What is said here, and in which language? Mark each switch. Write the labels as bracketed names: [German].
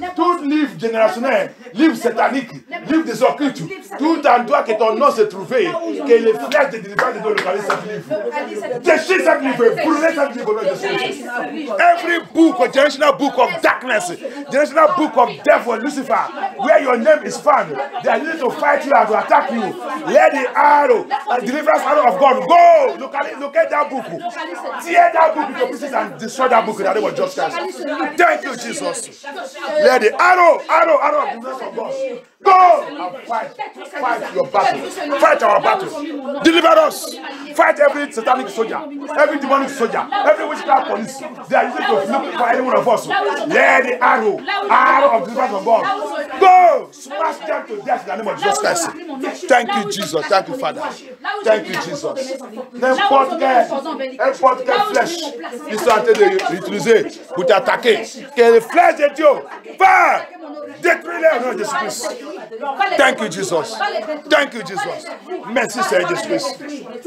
[French] Tout livre générationnel, livre satanique, livre des occultes, tout endroit que ton nom se trouvait, que les flèches de délivrance de Dieu localisent cette livre. Déchire cette livre, brûlez cette livre au nom de Jésus. [English] Every book, generational book of darkness, generational book of devil, Lucifer, where your name is found, they are needed to fight you and to attack you. Let the arrow, the deliverance arrow of God, go! Look at that book. Tear that book into pieces and destroy that book in the name of Jesus Christ. Thank you, Jesus. Let the arrow of deliverance of God. Go and fight your battle. Fight our battle. Deliver us. Fight every satanic soldier, every demonic soldier, every witchcraft police. They are using to look for any one of us. Let the arrow of deliverance of God. Go! Smash them to death in the name of Jesus Christ. Thank you, Jesus. Thank you, Father. Thank you, Jesus. [French] N'importe quel flesh, ils sont en train de l'utiliser pour t'attaquer. Quelle flèche de Dieu! Père! Détruis-les au nom de Jésus Christ. [English] Thank you, Jesus. Thank you, Jesus. [French] Merci, Seigneur Jésus Christ.